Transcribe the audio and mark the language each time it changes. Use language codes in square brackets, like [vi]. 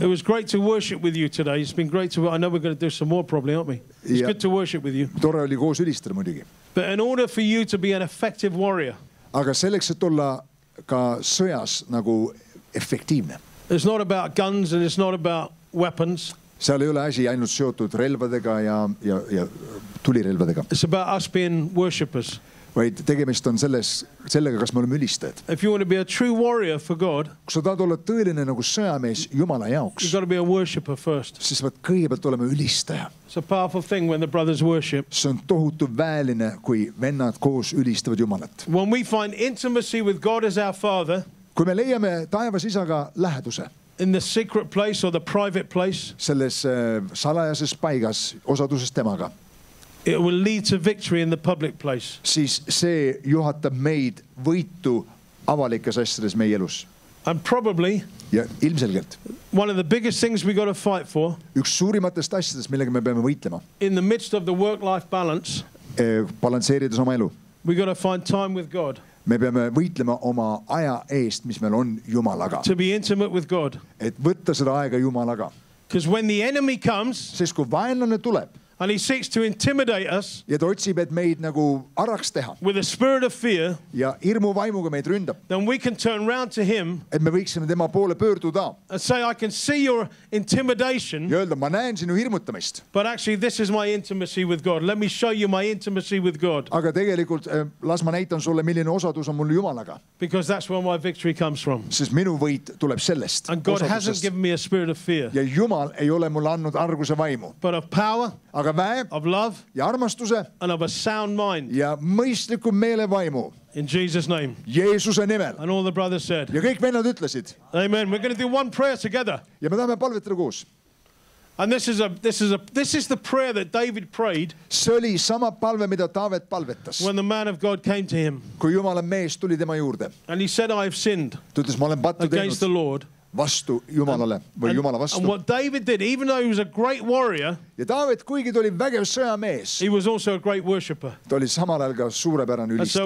[en] It was great to worship with you today. It's been great to, I know we're going to do some more probably, aren't we? It's good to worship with you. [et] Tore oli koos ülistada muidugi. [en] But in order for you to be an effective warrior. [et] Aga selleks, et olla ka sõjas nagu efektiivne. [en] It's not about guns and it's not about weapons. [et] Seal ei ole asi ainult seotud relvadega ja tulirelvadega. [en] It's about us being worshippers. [et] Vaid tegemist on sellega, kas me oleme ülistajad. [en] If you want to be a true warrior for God, [et] kui sa tahad olla tõeline nagu sõjamees Jumala jaoks, [en] you've got to be a worshipper first. [et] Siis võid kõigepealt olema ülistaja. [en] It's a powerful thing when the brothers worship. [et] See on tohutu väeline, kui vennad koos ülistavad Jumalat. [en] When we find intimacy with God as our Father, [et] kui me leiame taevas isaga läheduse, [en] in the secret place or the private place, [et] selles salajases paigas osaduses temaga, [en] it will lead to victory in the public place. [et] Siis see juhatab meid võitu avalikes asjades meie elus. [en] And probably [et] ja ilmselgelt [en] one of the biggest things we got to fight for, [et] üks suurimatest asjadest, millega me peame võitlema, [en] in the midst of the work-life balance, [et] balanseerides oma elu, [en] we got to find time with God. [et] Me peame võitlema oma aja eest, mis meil on Jumalaga. [en] To be intimate with God. [et] Et võtta seda aega Jumalaga. [en] Because when the enemy comes, [et] siis kui vaenlane tuleb, [en] and he seeks to intimidate us, [et] ja ta otsib, et meid nagu araks teha, [en] with a spirit of fear, [et] ja irmu vaimuga meid ründab, [en] then we can turn round to him, [et] et me võiksime tema poole pöörduda, [en] and say, I can see your intimidation, [et] ja öelda, ma näen sinu hirmutamist, [en] but actually this is my intimacy with God. Let me show you my intimacy with God. [et] Aga tegelikult, las ma näitan sulle, milline osadus on mul Jumalaga. [en] Because that's where my victory comes from. [et] Sest minu võit tuleb sellest. [en] And God osadusest. Hasn't given me a spirit of fear. [et] Ja Jumal ei ole mulle annud arguse vaimu. [en] But of power, [et] aga väe, [en] of love, [et] ja armastuse, [en] and of a sound mind, [et] ja mõistliku meelevaimu, [en] in Jesus' name, [et] Jeesuse nimel, [en] and all the brothers said, [et] ja kõik vennad ütlesid, [en] amen. We're going to do one prayer together, [et] ja me tahame palvetada koos. [en] And this is the prayer that David prayed, [et] see oli sama palve, mida David palvetas, [en] when the man of God came to him, [et] kui Jumala mees tuli tema juurde, [en] and he said, I have sinned, [et] tutes, ma olen pattu [en] against [et] teinud. [en] The Lord, [et] vastu Jumalale, või Jumala vastu. [en] And what David did, even though he was a great warrior, [et] ja David, kuigi ta oli vägev sõjamees, [en] he was also a great worshipper. [et] Ta oli samal ajal ka suurepärane ülistaja.